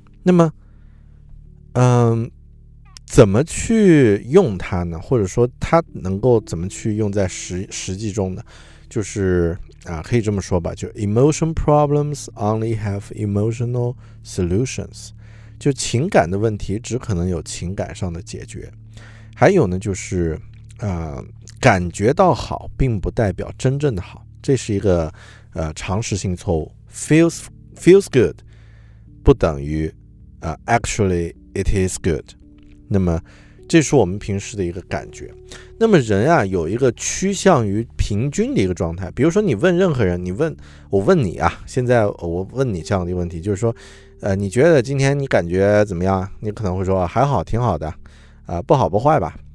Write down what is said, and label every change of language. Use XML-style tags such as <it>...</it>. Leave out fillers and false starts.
<zh>那么怎么去用它呢，或者说它能够怎么去用在 实际中呢，就是可以这么说吧，就</zh> <en>emotion problems only have emotional solutions，</en> <zh>就情感的问题只可能有情感上的解决。还有呢，就是感觉到好并不代表真正的好，这是一个常识性错误。</zh> <en>feels good</en> <zh>不等于</zh> <en>actually it is good。</en> <zh>那么这是我们平时的一个感觉。那么人啊有一个趋向于平均的一个状态，比如说你问任何人，我问你啊，现在我问你这样的问题，就是说你觉得今天你感觉怎么样，你可能会说还好，挺好的，不好不坏吧。</zh>